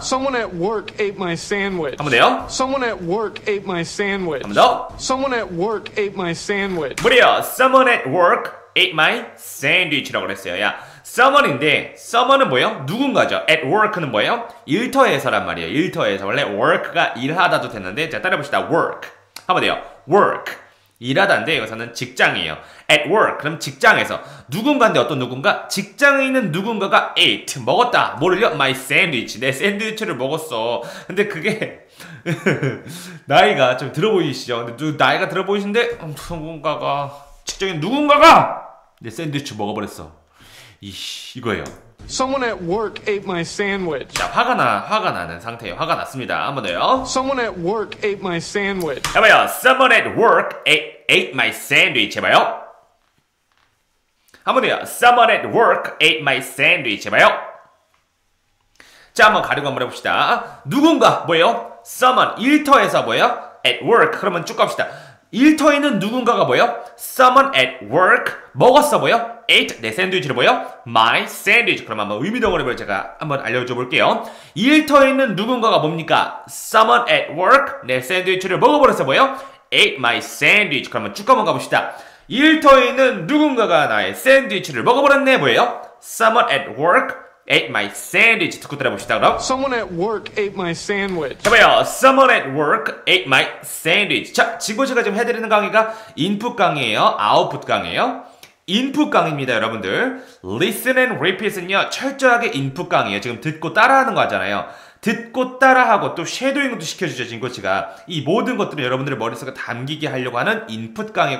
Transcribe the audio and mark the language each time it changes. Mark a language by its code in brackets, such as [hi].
[en] Someone at work ate my sandwich. [ko] 한번 돼요? [en] Someone at work ate my sandwich. [ko] 한번 더? [en] Someone at work ate my sandwich. [ko] 무려 [en] Someone at work ate my sandwich라고 [ko] 그랬어요. 야, someone인데 someone은 뭐예요? 누군가죠. at work는 뭐예요? 일터에서란 말이에요. 일터에서. 원래 work가 일하다도 됐는데 자, 따라해봅시다. work. 한번 돼요. work. 일하다인데 여기서는 직장이에요. [en] at work. [ko] 그럼 직장에서. 누군가인데 어떤 누군가? 직장에 있는 누군가가 ate. 먹었다. 뭐를요? [en] my sandwich. [ko] 내 샌드위치를 먹었어. 근데 그게 나이가 좀 들어 보이시죠? 근데 나이가 들어 보이시는데 누군가가 직장에 누군가가 내 샌드위치 먹어버렸어. 이씨, 이거예요. [en] Someone at work ate my sandwich. [ko] 자, 화가 나는 상태예요. 화가 났습니다. 한번 더요. [en] Someone at work ate my sandwich. [ko] 해봐요. [en] Someone at work ate my sandwich. [ko] 해봐요. 한번 더요. [en] Someone at work ate my sandwich. [ko] 해봐요. 자, 한번 가리고 한번 해봅시다. 누군가, 뭐예요? Someone, 일터에서 뭐예요? [en] At work. [ko] 그러면 쭉 갑시다. 일터에 있는 누군가가 뭐예요? [en] Someone at work [ko] 먹었어 뭐예요? Ate 내 샌드위치를 뭐예요? [en] My sandwich. [ko] 그럼 한번 의미덩어리를 제가 한번 알려줘 볼게요. 일터에 있는 누군가가 뭡니까? [en] Someone at work [ko] 내 샌드위치를 먹어버렸어 뭐예요? [en] Ate my sandwich. [ko] 그러면 쭉 한번 가봅시다. 일터에 있는 누군가가 나의 샌드위치를 먹어버렸네 뭐예요? [en] Someone at work ate my sandwich. [ko] 듣고 들어봅시다 그럼. [en] Someone at work ate my sandwich. [ko] 해봐요. [en] Someone at work ate my sandwich. [ko] 자, 지금 제가 지금 해드리는 강의가 인풋 강의예요, 아웃풋 강의예요? 인풋 강의입니다 여러분들. [en] Listen and repeat [ko] 은요 철저하게 인풋 강의예요. 지금 듣고 따라하는 거 하잖아요. 듣고 따라하고 또 쉐도잉도 시켜주죠 진코치가. 이 모든 것들을 여러분들의 머릿속에 담기게 하려고 하는 인풋 강의.